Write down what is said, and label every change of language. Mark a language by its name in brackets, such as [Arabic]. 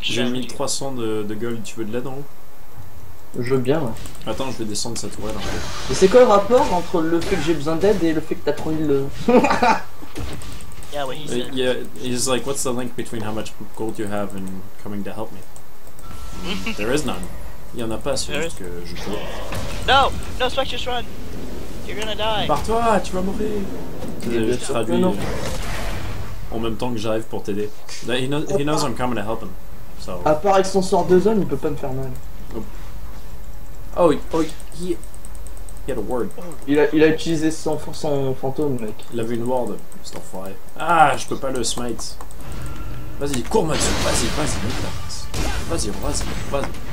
[French] J'ai 1,300 de gold, tu veux de l'aide en haut? Je veux bien. Attends, je vais descendre cette tourelle un peu. Mais c'est quoi le rapport entre le fait que j'ai besoin d'aide et le fait que t'as trop mis le... [English] Yeah, what he said. Yeah, he's like, what's the link between how much gold you have and coming to help me? There is none. [French] Il y en a pas, c'est juste que je peux. [English] No! No, Spectre, just run! You're gonna die! [French] Barre-toi, tu vas mourir! Je traduis en même temps que j'arrive pour t'aider. [English] He knows I'm coming to help him, so... [French] À part avec son sort de zone, il peut pas me faire mal. [English] Oh, he had a ward. [French] Il a utilisé son fantôme, mec. Il avait une ward, cet enfoiré. Ah, je peux pas le smite. Vas-y, cours, Mathieu, vas-y, mec. Vas-y.